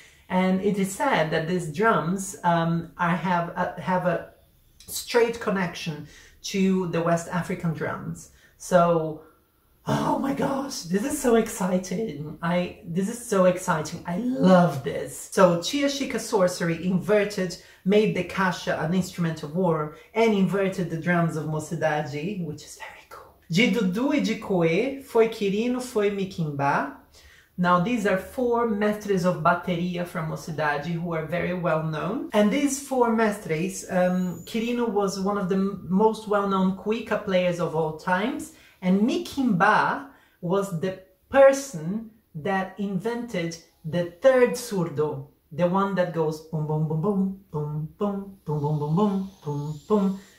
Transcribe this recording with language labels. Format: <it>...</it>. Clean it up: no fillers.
<en>And it is said that these drums have a straight connection to the West African drums. So, oh my gosh, this is so exciting. I love this. So Tia Chica sorcery inverted, made the caixa an instrument of war, and inverted the drums of Mocidade, which is very cool.</en> <pt>De Dudu e de Coe, foi Quirino, foi Miquimba.</pt> <en>Now these are four mestres of bateria from Mocidade who are very well known. And these four mestres, Quirino was one of the most well-known cuica players of all times. And Miquimba was the person that invented the third surdo, the one that goes boom, boom, boom, boom, boom, boom, boom, boom, boom, boom, boom, boom.</en>